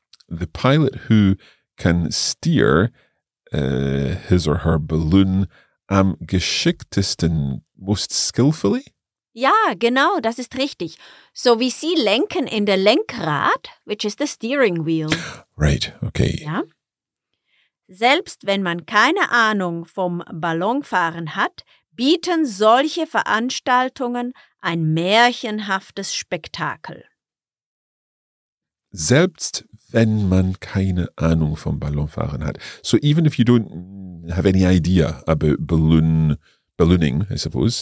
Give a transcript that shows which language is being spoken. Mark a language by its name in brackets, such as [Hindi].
[English] the pilot who can steer his or her balloon [German] am geschicktesten, [English] most skillfully? [German] Ja, genau, das ist richtig. [English] So we see lenken in the Lenkrad, which is the steering wheel. Right, okay. [German] Ja. Selbst wenn man keine Ahnung vom Ballonfahren hat, bieten solche Veranstaltungen ein märchenhaftes Spektakel. Selbst wenn man keine Ahnung vom Ballonfahren hat. [English] So even if you don't have any idea about ballooning, I suppose.